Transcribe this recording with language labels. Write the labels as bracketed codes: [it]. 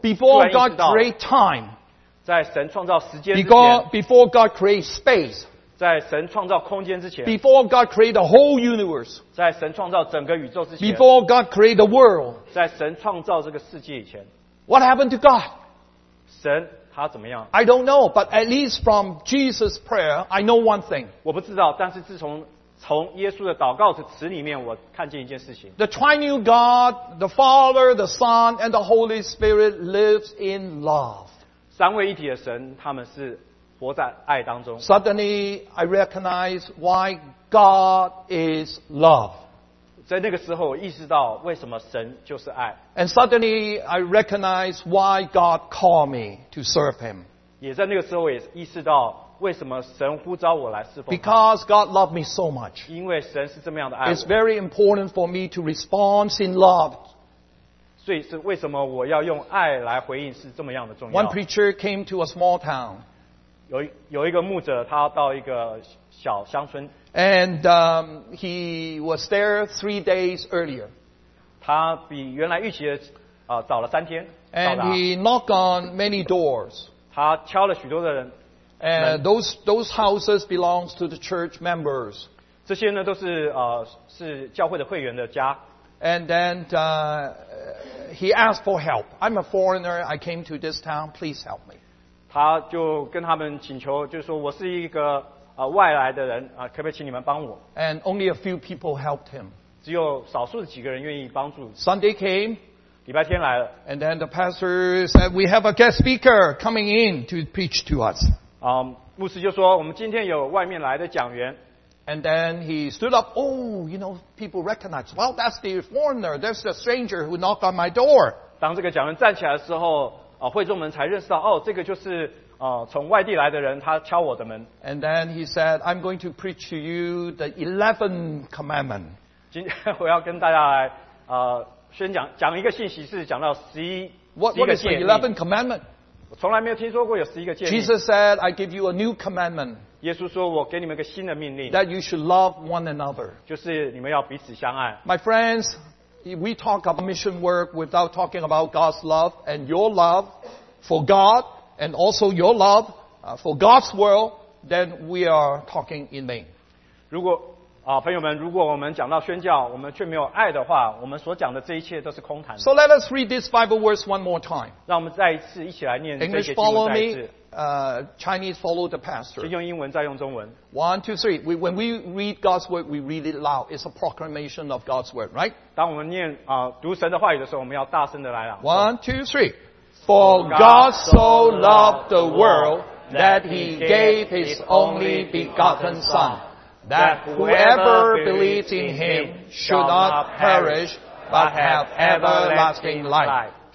[en] before God created time, [zh] 在神创造时间之前, [en] before God created space, [zh] 在神创造空间之前, [en] before God created the whole universe, [zh] 在神创造整个宇宙之前, [en] before God created the world, [zh] 在神创造这个世界以前, [en] what happened to God? [zh] 神 [en] I don't know, but at least from Jesus' prayer, I know one thing. [zh] 我不知道，但是自从耶稣的祷告的词里面，我看见一件事情。 [en] The Triune God, the Father, the Son, and the Holy Spirit lives in love. [zh] 三位一体的神，他们是活在爱当中。 [en] Suddenly, I recognize why God is love. [zh] 在那个时候，我意识到为什么神就是爱。 [en] And suddenly, I recognize why God called me to serve Him. [zh] 也在那个时候，我也意识到为什么神呼召我来侍奉。 [en] Because God loved me so much. [zh] 因为神是这么样的爱我。 [en] It's very important for me to respond in love. [zh] 所以是为什么我要用爱来回应是这么样的重要。 [en] One preacher came to a small town. [zh] 有一个牧者，他到一个小乡村。 [en] And he was there 3 days earlier. [zh] 他比原来预期的早了三天。 [en] And he knocked on many doors. [zh] 他敲了许多的人。 [en] And those houses belong to the church members. [zh] 这些呢都是教会的会员的家。 [en] And then he asked for help. I'm a foreigner. I came to this town. Please help me. [zh] 他就跟他们请求，就是说我是一个。外来的人, [en] and only a few people helped him. Sunday came, [zh] 礼拜天来了, [en] and then the pastor said, we have a guest speaker coming in to preach to us. [zh] 牧师就说我们今天有外面来的讲员, [en] and then he stood up, oh, you know, people recognize, well, that's the foreigner, that's the stranger who knocked on my door. [zh] 当这个讲员站起来的时候, 会众们才认识到, 哦, 这个就是, 从外地来的人, [en] and then he said, I'm going to preach to you the 11th commandment. [zh] 今天我要跟大家来, 先讲一个信息是讲到11, [en] what is the 11th commandment? [zh] 我从来没有听说过有11个诫命。 [en] Jesus said, I give you a new commandment. [zh] 耶稣说我给你们一个新的命令, [en] that you should love one another. [zh] 就是你们要彼此相爱。 [en] My friends, we talk about mission work without talking about God's love and your love for God and also your love for God's world, then we are talking in vain. [zh] 如果朋友们，如果我们讲到宣教，我们却没有爱的话，我们所讲的这一切都是空谈的。 [en] So let us read these Bible words one more time. [zh] 让我们再一次一起来念这些经文。 [en] English follow me. Chinese follow the pastor. [zh] 先用英文，再用中文。 [en] One, two, three. When we read God's word, we read it loud. It's a proclamation of God's word, right? [zh] 当我们念读神的话语的时候，我们要大声的来了。 [en] One, two, three. For God so loved the world that He gave His only begotten Son, that whoever believes in Him should not perish, but have everlasting life.